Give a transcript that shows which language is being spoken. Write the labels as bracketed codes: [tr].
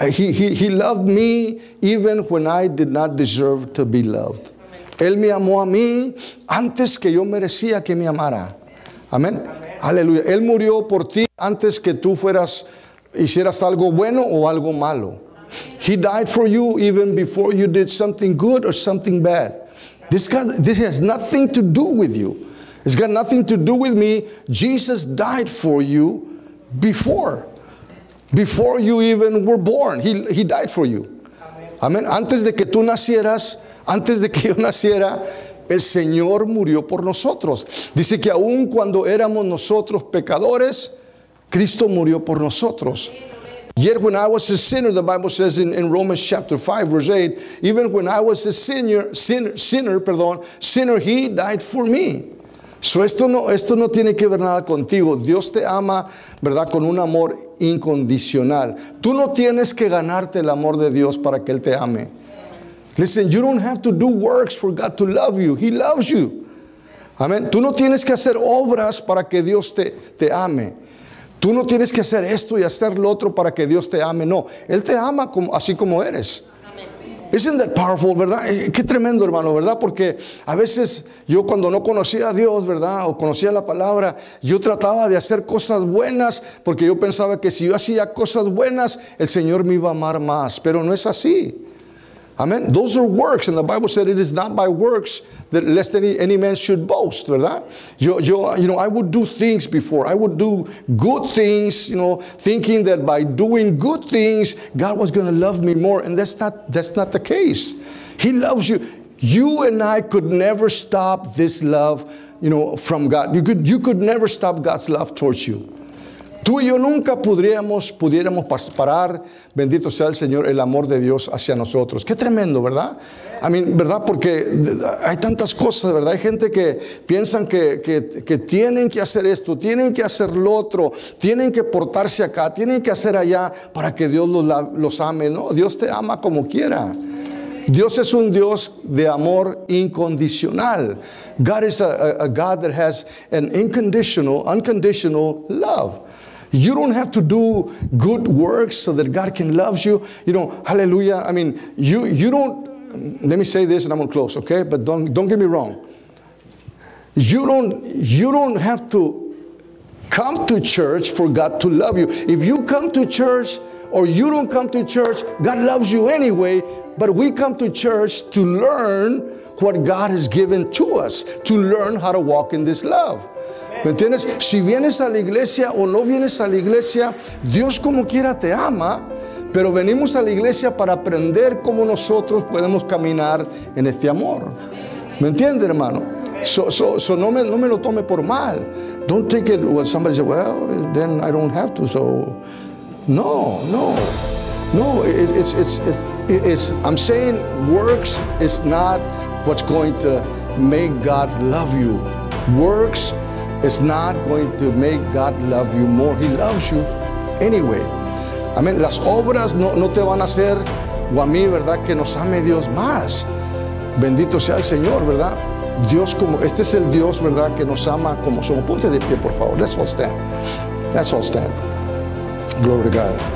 [en] He loved me even when I did not deserve to be loved. [es] Él me amó a mí antes que yo merecía que me amara. Amen. Aleluya. Él murió por ti antes que tú fueras, hicieras algo bueno o algo malo. [en] He died for you even before you did something good or something bad. This has nothing to do with you. It's got nothing to do with me. Jesus died for you before. Before you even were born, he died for you. Amen. [es] Antes de que tú nacieras, antes de que yo naciera, el Señor murió por nosotros. Dice que aun cuando éramos nosotros pecadores, Cristo murió por nosotros. [en] Yet when I was a sinner, the Bible says in Romans chapter 5, verse 8, even when I was a sinner, he died for me. [es] So esto no tiene que ver nada contigo. Dios te ama, ¿verdad?, con un amor incondicional. Tú no tienes que ganarte el amor de Dios para que Él te ame. [en] Listen, you don't have to do works for God to love you. He loves you. Amen. [es] Tú no tienes que hacer obras para que Dios te ame. Tú no tienes que hacer esto y hacer lo otro para que Dios te ame. No, Él te ama como, así como eres. [en] Isn't that powerful, [es] ¿verdad? Qué tremendo, hermano, ¿verdad? Porque a veces yo, cuando no conocía a Dios, ¿verdad?, o conocía la palabra, yo trataba de hacer cosas buenas porque yo pensaba que si yo hacía cosas buenas, el Señor me iba a amar más. Pero no es así. Amen. [en] Those are works, and the Bible said it is not by works that lest any man should boast, ¿verdad? You know, I would do things before. I would do good things, you know, thinking that by doing good things, God was going to love me more, and that's not the case. He loves you. You and I could never stop this love, you know, from God. You could never stop God's love towards you. [es] Tú y yo nunca pudiéramos parar, bendito sea el Señor, el amor de Dios hacia nosotros. Qué tremendo, ¿verdad? [en] I mean, [es] ¿verdad? Porque hay tantas cosas, ¿verdad? Hay gente que piensan que tienen que hacer esto, tienen que hacer lo otro, tienen que portarse acá, tienen que hacer allá para que Dios los ame. No, Dios te ama como quiera. Dios es un Dios de amor incondicional. [en] God is a God that has an unconditional love. You don't have to do good works so that God can love you. You know, hallelujah. I mean, you don't, let me say this and I'm going to close, okay? But don't get me wrong. You don't have to come to church for God to love you. If you come to church or you don't come to church, God loves you anyway. But we come to church to learn what God has given to us, to learn how to walk in this love. [es] ¿Me entiendes? Si vienes a la iglesia o no vienes a la iglesia, Dios como quiera te ama, pero venimos a la iglesia para aprender cómo nosotros podemos caminar en este amor. ¿Me entiende, hermano? No me lo tome por mal. [en] Don't take it when somebody says, well, then I don't have to. So, no. It's I'm saying works is not what's going to make God love you. Works is not going to make God love you more. He loves you anyway. Amén. [es] Las obras no te van a hacer o a mí, ¿verdad? Que nos ame Dios más. Bendito sea el Señor, ¿verdad? Dios como, este es el Dios, ¿verdad? Que nos ama como somos. Ponte de pie, por favor. [en] Let's all stand. Let's all stand. Glory to God.